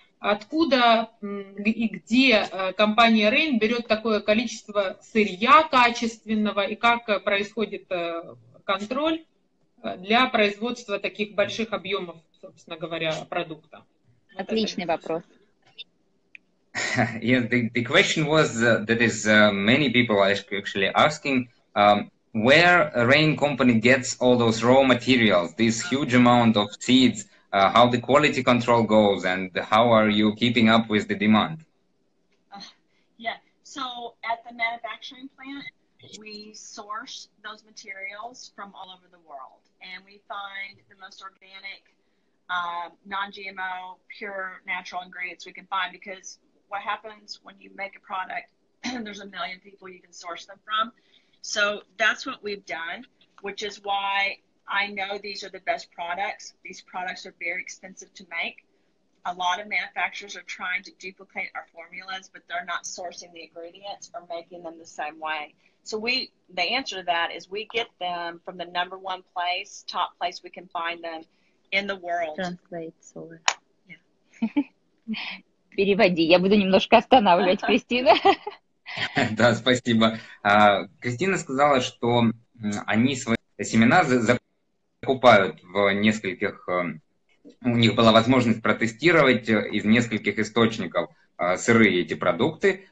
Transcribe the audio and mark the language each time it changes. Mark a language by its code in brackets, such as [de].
[ru] Откуда и где компания Rain берет такое количество сырья качественного и как происходит контроль для производства таких больших объемов, собственно говоря, продукта? Вот отличный вопрос. [en] Yeah, the question was that is many people are actually asking where Rain company gets all those raw materials, this huge amount of seeds, how the quality control goes, and how are you keeping up with the demand? So at the manufacturing plant, we source those materials from all over the world, and we find the most organic, non-GMO, pure natural ingredients we can find, because what happens when you make a product and there's a million people you can source them from? So that's what we've done, which is why I know these are the best products. These products are very expensive to make. A lot of manufacturers are trying to duplicate our formulas, but they're not sourcing the ingredients or making them the same way. So the answer to that is we get them from the number one place, top place we can find them in the world. Translate, so yeah. [ru] Переводи, я буду немножко останавливать, Кристина. Да, спасибо. Кристина сказала, что они свои семена закупают в нескольких... У них была возможность протестировать из нескольких источников сырые эти продукты.